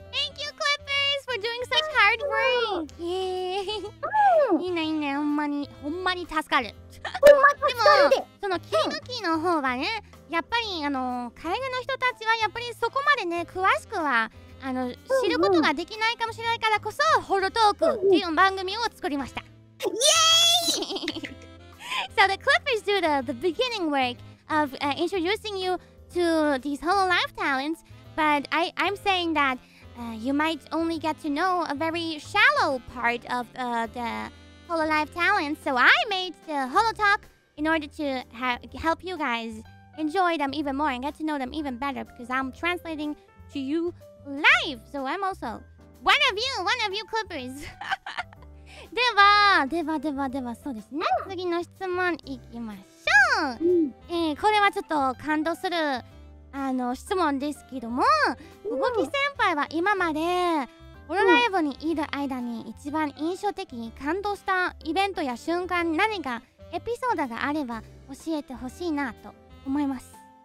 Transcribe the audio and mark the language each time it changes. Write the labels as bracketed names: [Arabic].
[English] Thank you, Clippers, for doing such hard work! [Japanese] いいね、いいね、ほんまに、ほんまに助かるほんま助かるでも、その切り抜きの方がね、やっぱり、海外の人たちはやっぱりそこまでね、詳しくは知ることができないかもしれないからこそ、ホロトークっていう番組を作りましたイエーイ [English] So the Clippers do the beginning work of、introducing you to these Hololive talents, but I'm saying that、you might only get to know a very shallow part of、the Hololive talents, so I made the Holotalk in order to help you guys enjoy them even more and get to know them even better because I'm translating to you live, so I'm also one of you Clippers! [Japanese] では、ではではでは、そうですね、次の質問いきましょう、これはちょっと感動する質問ですけども、動き先輩は今までホロライブにいる間に一番印象的に感動したイベントや瞬間、何かエピソードがあれば教えてほしいなと思います。